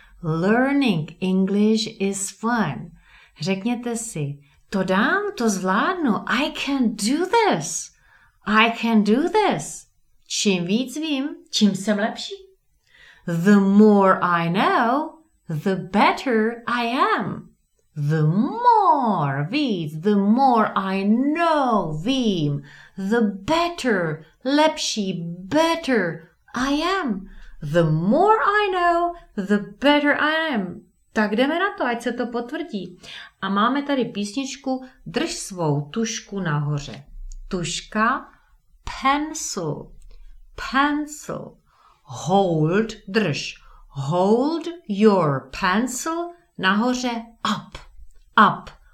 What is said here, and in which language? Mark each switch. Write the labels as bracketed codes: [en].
[en] Learning English is fun. [cs] Řekněte si, to dám, to zvládnu. [en] I can do this. I can do this. [cs] Čím víc vím, čím jsem lepší. [en] The more I know, the better I am. The more víc, the more I know, vím, the better, lepší, better I am. The more I know, the better I am. [cs] Tak jdeme na to, ať se to potvrdí. A máme tady písničku Drž svou tušku nahoře. [en] Tuška, pencil, pencil. Hold, drž. Hold your pencil nahoře up. Up.